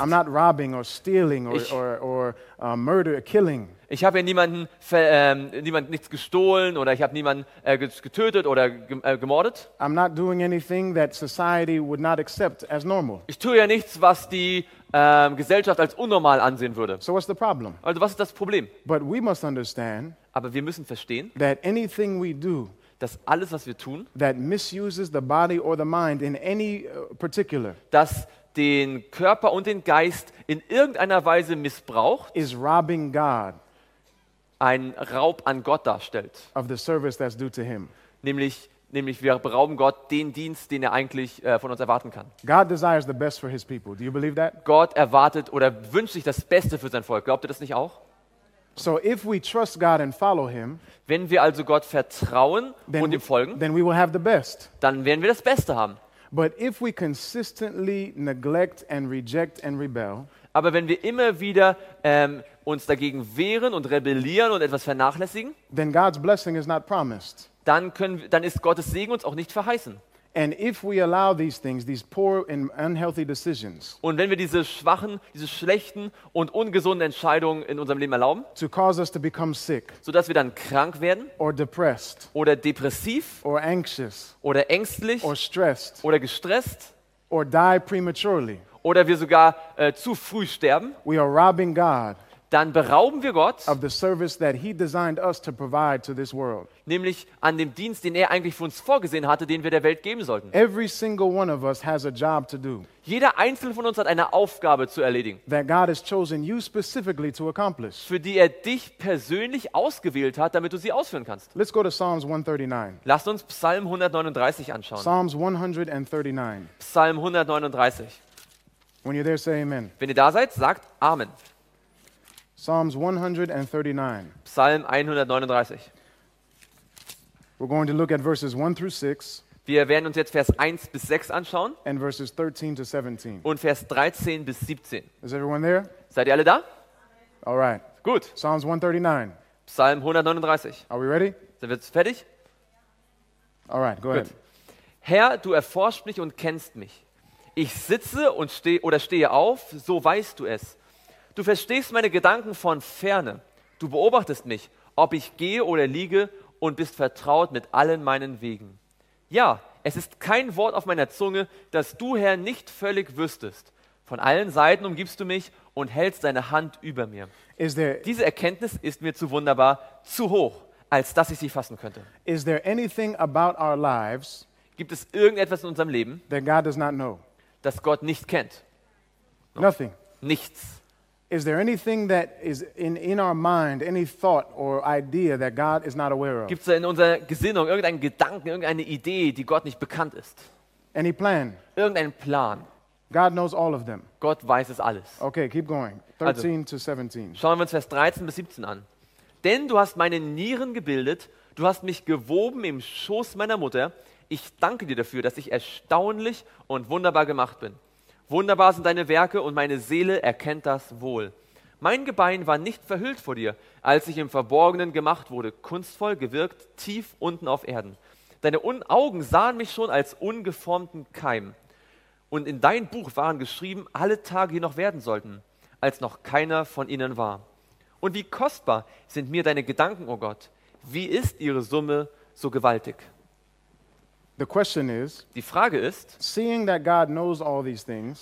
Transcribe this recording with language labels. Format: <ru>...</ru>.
<en>I'm not robbing or stealing or murder, killing.</en> <de>Ich habe ja niemanden nichts gestohlen oder ich habe niemanden getötet oder gemordet.</de> <en>I'm not doing anything that society would not accept as normal.</en> <de>Ich tue ja nichts, was die Gesellschaft als unnormal ansehen würde.</de> <en>So what's the problem?</en> <de>Also was ist das Problem?</de> <en>But we must understand,</en> <de>aber wir müssen verstehen,</de> <en>that anything we do,</en> <de>dass alles, was wir tun,</de> <en>that misuses the body or the mind in any particular,</en> <de>dass den Körper und den Geist in irgendeiner Weise missbraucht,</de> <en>is robbing God,</en> <de>ein Raub an Gott darstellt,</de> <en>of the service that's due to him.</en> <de>Nämlich wir berauben Gott den Dienst, den er eigentlich von uns erwarten kann.</de> <en>God desires the best for his people. Do you believe that?</en> <de>Gott erwartet oder wünscht sich das Beste für sein Volk. Glaubt ihr das nicht auch?</de> <en>So if we trust God and follow him,</en> <de>wenn wir also Gott vertrauen und ihm folgen,</de> <en>then we will have the best.</en> <de>Dann werden wir das Beste haben.</de> <en>But if we consistently neglect and reject and rebel,</en> <de>aber wenn wir immer wieder uns dagegen wehren und rebellieren und etwas vernachlässigen,</de> <en>then God's blessing is not promised.</en> <de>Dann ist Gottes Segen uns auch nicht verheißen.</de> <en>And if we allow these things, these poor and unhealthy decisions,</en> <de>und wenn wir diese schwachen, diese schlechten und ungesunden Entscheidungen in unserem Leben erlauben,</de> <en>to cause us to become sick,</en> <de>sodass wir dann krank werden,</de> <en>or depressed,</en> <de>oder depressiv,</de> <en>or anxious,</en> <de>oder ängstlich,</de> <en>or stressed,</en> <de>oder gestresst,</de> <en>or die prematurely,</en> <de>oder wir sogar zu früh sterben,</de> <en>we are robbing God,</en> <de>dann berauben wir Gott</de> <en>of the service that he designed us to provide to this world,</en> <de>nämlich an dem Dienst, den er eigentlich für uns vorgesehen hatte, den wir der Welt geben sollten.</de> <en>Every single one of us has a job to do.</en> <de>Jeder einzelne von uns hat eine Aufgabe zu erledigen.</de> <en>That God has chosen you specifically to accomplish.</en> <de>Für die er dich persönlich ausgewählt hat, damit du sie ausführen kannst.</de> <en>Let's go to Psalms 139.</en> <de>Lasst uns Psalm 139 anschauen.</de> <en>Psalms 139.</en> <de>Psalm 139.</de> <en>When you're there, say amen.</en> <de>Wenn ihr da seid, sagt Amen.</de> <en>Psalms 139.</en> <de>Psalm 139.</de> <en>We're going to look at verses 1 through 6.</en> <de>Wir werden uns jetzt Vers 1 bis 6 anschauen.</de> <en>And verses 13 to 17.</en> <de>Und Vers 13 bis 17.</de> <en>Is everyone there?</en> <de>Seid ihr alle da?</de> <en>All right.</en> <de>Gut.</de> <en>Psalms 139.</en> <de>Psalm 139.</de> <en>Are we ready?</en> <de>Sind wir jetzt fertig?</de> <en>All right, go ahead.</en> <de>Herr, du erforscht mich und kennst mich. Ich sitze und stehe auf, so weißt du es. Du verstehst meine Gedanken von ferne. Du beobachtest mich, ob ich gehe oder liege, und bist vertraut mit allen meinen Wegen. Ja, es ist kein Wort auf meiner Zunge, das du, Herr, nicht völlig wüsstest. Von allen Seiten umgibst du mich und hältst deine Hand über mir. Diese Erkenntnis ist mir zu wunderbar, zu hoch, als dass ich sie fassen könnte.</de> <en>Is there anything about our lives,</en> <de>gibt es irgendetwas in unserem Leben,</de> <en>that God does not know?</en> <de>Das Gott nicht kennt?</de> <en>No. Nothing.</en> <de>Nichts.</de> <en>Is there anything that is in our mind, any thought or idea that God is not aware of?</en> <de>Gibt es in unserer Gesinnung irgendeinen Gedanken, irgendeine Idee, die Gott nicht bekannt ist?</de> <en>Any plan?</en> <de>Irgendeinen Plan?</de> <en>God knows all of them.</en> <de>Gott weiß es alles.</de> <en>Okay, keep going. 13 to 17.</en> <de>Schauen wir uns Vers 13 bis 17 an. Denn du hast meine Nieren gebildet, du hast mich gewoben im Schoß meiner Mutter. Ich danke dir dafür, dass ich erstaunlich und wunderbar gemacht bin. Wunderbar sind deine Werke und meine Seele erkennt das wohl. Mein Gebein war nicht verhüllt vor dir, als ich im Verborgenen gemacht wurde, kunstvoll gewirkt, tief unten auf Erden. Deine Augen sahen mich schon als ungeformten Keim. Und in dein Buch waren geschrieben alle Tage, die noch werden sollten, als noch keiner von ihnen war. Und wie kostbar sind mir deine Gedanken, o Gott. Wie ist ihre Summe so gewaltig?</de> <en>The question is,</en> <de>die Frage ist,</de> <en>seeing that God knows all these things,</en>